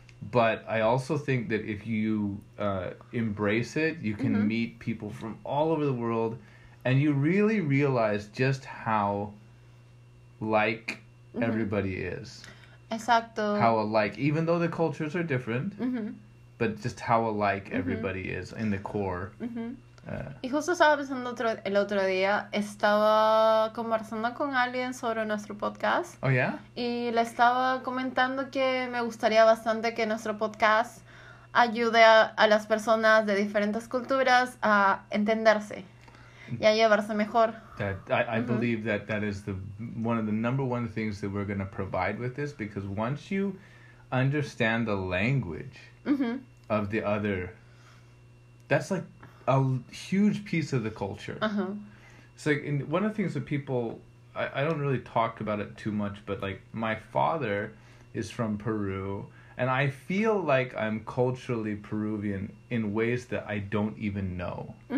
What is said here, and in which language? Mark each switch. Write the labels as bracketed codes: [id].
[en] But I also think that if you embrace it, you can meet people from all over the world, and you really realize just how like everybody is. [es] Exacto. [en] How alike, even though the cultures are different, but just how alike everybody is in the core. [es] Y justo estaba pensando el otro día, estaba conversando con alguien sobre nuestro podcast. [en] Oh, yeah? [es] Y le estaba comentando que me gustaría bastante que nuestro podcast ayude a las personas de diferentes culturas a entenderse y a llevarse mejor. [en] I believe that is one of the number one things that we're going to provide with this, because once you understand the language of the other, that's like a huge piece of the culture. So, and one of the things that people, I don't really talk about it too much, but like my father is from Peru, and I feel like I'm culturally Peruvian in ways that I don't even know.